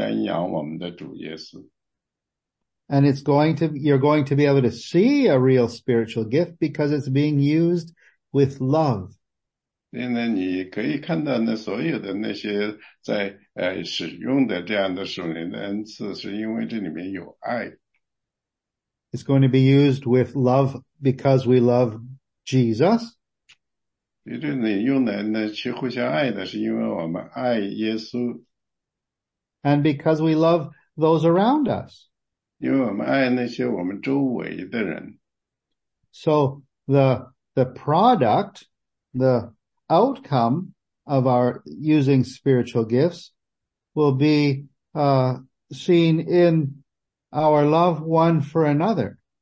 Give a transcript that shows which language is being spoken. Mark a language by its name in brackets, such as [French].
[Chinese] 因为我们要向那些人呢，就是靠近我们的人和远离在我们很远的地方，向他们呢宣扬我们的主耶稣。 [English] And you're going to be able to see a real spiritual gift because it's being used with love. [Chinese] 因为呢，你可以看到呢，所有的那些在使用的这样的属灵的恩赐，是因为这里面有爱。 [English] It's going to be used with love because we love Jesus. [Chinese] 因为这里用来呢，去互相爱的，是因为我们爱耶稣。 [English] And because we love those around us. [Chinese] 因为我们爱那些我们周围的人。 [English] So the product, the outcome of our using spiritual gifts will be seen in our love one for another.